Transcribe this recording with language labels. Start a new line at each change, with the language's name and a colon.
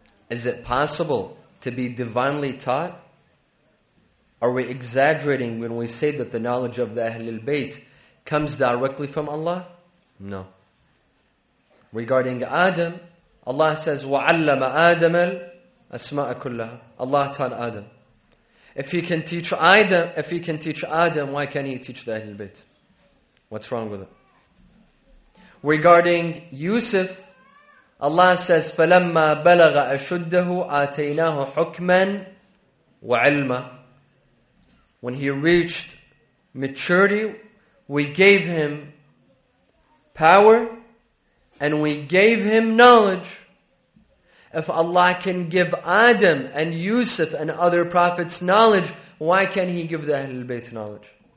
English: Is it possible to be divinely taught? Are we exaggerating when we say that the knowledge of the Ahlul Bayt comes directly from Allah? No. Regarding Adam, Allah says,
Arabic: وَعَلَّمَ آدَمَ الْأَسْمَاءَ كُلَّهَا.
English: Allah taught Adam. If he can teach Adam, why can't he teach the Ahlul Bayt? What's wrong with it? Regarding Yusuf, Allah says,
Arabic: فَلَمَّا بَلَغَ أَشُدَّهُ آتَيْنَاهُ حُكْمًا وَعِلْمًا.
English: When he reached maturity, we gave him power and we gave him knowledge. If Allah can give Adam and Yusuf and other prophets knowledge, why can't he give the Ahlul Bayt knowledge?